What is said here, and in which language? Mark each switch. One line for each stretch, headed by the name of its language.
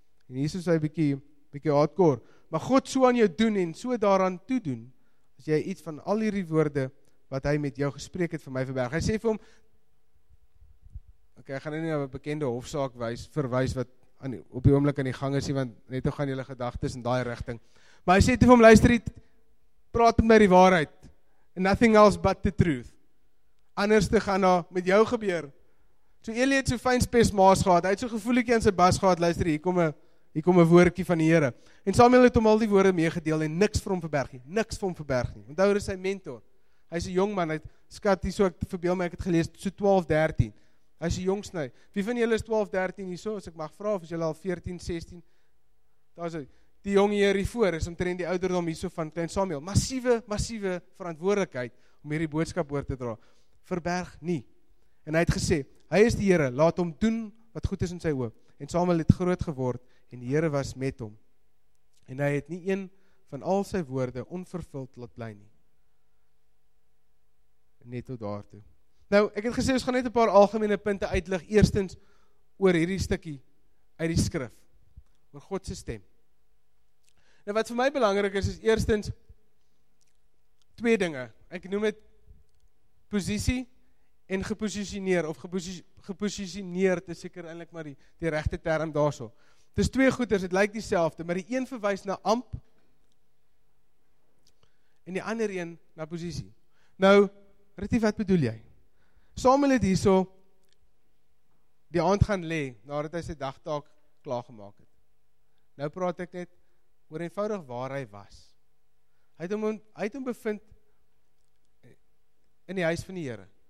Afrikaans: En Jesus sê bietjie hardcore, maar God so aan jou doen en so daaraan toe doen, as jy iets van al hierdie woorde wat hy met jou gespreek het vir my verberg. Hy sê vir hom, okay, ek gaan nie nou 'n bekende hofsaak verwys wat op die oomblik aan die gang is, want net hoe gaan julle gedagtes in daai rigting. Maar hy sê toe vir hom, luister hier, praat met my die waarheid.
English: Nothing else but the truth.
Afrikaans: Anders te gaan daar met jou gebeur. So Eli het so fyn spes maas gehad, hy het so gevoelietjie in sy bas gehad, luister hier, kom een woordjie van die Here. En Samuel het hom al die woorde meegedeel en niks vir hom verberg nie. Niks vir hom verberg nie. Onthou, hy is sy mentor. Hy is 'n jong man, ek het gelees, so 12, 13. Hy is 'n jong sny. Wie van julle is 12, 13 hier so? As ek mag vra, of is julle al 14, 16? Daar is die jong hier hiervoor, is omtrent die ouderdom hier so van klein Samuel. Massiewe, massiewe verantwoordelikheid om hierdie boodskap oor te dra. Verberg nie. En hy het gesê, hy is die Here, laat hom doen wat goed is in sy oog. En Samuel het groot geword en die Here was met hom. En hy het nie een van al sy woorde onvervuld laat bly nie. Net tot daartoe. Nou, ek het gesê, ons gaan net 'n paar algemene punte uitlig. Eerstens, oor hierdie stukkie uit die skrif. Oor God se stem. Nou, wat vir my belangrik is, is eerstens, twee dinge. Ek noem het posisie en gepositioneer, of gepositioneerd is seker eintlik maar die regte term daarso. Dit is twee goeders, het lyk dieselfde, maar die een verwys na amp, en die ander een na posisie. Nou, Ritie, wat bedoel jy? Samuel het hier so die aand gaan lê, nadat hy sy dagtaak klaargemaak het. Nou praat ek net oor eenvoudig waar hy was. Hy het hom bevind in die huis van die Here.